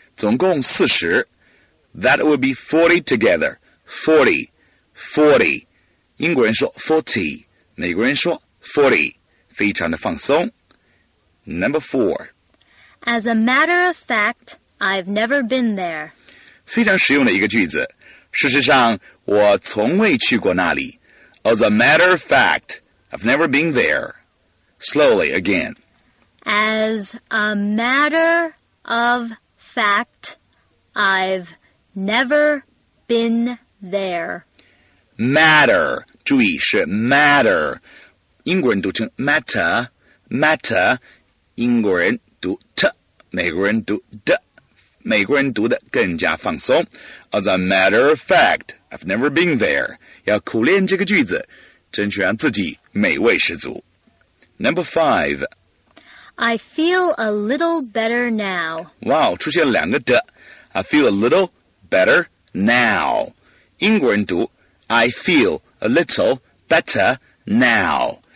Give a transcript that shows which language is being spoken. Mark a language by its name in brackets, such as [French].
[Chinese] 总共四十。 [English] That will be 40 together. 40. 40. [Chinese] 英国人说 40. 美国人说 40. 非常的放松。 [English] Number 4. As a matter of fact, I've never been there. [Chinese] 非常实用的一个句子。事实上我从未去过那里。 [English] As a matter of fact, I've never been there. Slowly, again. As a matter of fact, I've never been there. Matter, [Chinese] 注意是 matter. 英国人读成 matter, matter. 英国人读 t, 美国人读 d. 美国人读的更加放松。 [English] As a matter of fact, I've never been there. [Chinese] 要苦练这个句子，争取让自己美味十足。 [English] Number 5. I feel a little better now. [Chinese] 哇、 [English] wow, 出现了两个的。I feel a little better now. [Chinese] 英国人读 [English] I feel a little better now.